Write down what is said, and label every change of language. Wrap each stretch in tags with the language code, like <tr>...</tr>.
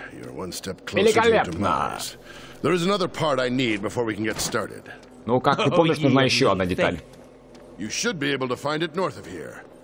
<en>You're one step closer to demise. There is another part I need before we can get started.</en> <ru>Ну как ты помнишь, нужна еще одна деталь.</ru> <en>You should be able to find it north of here.</en>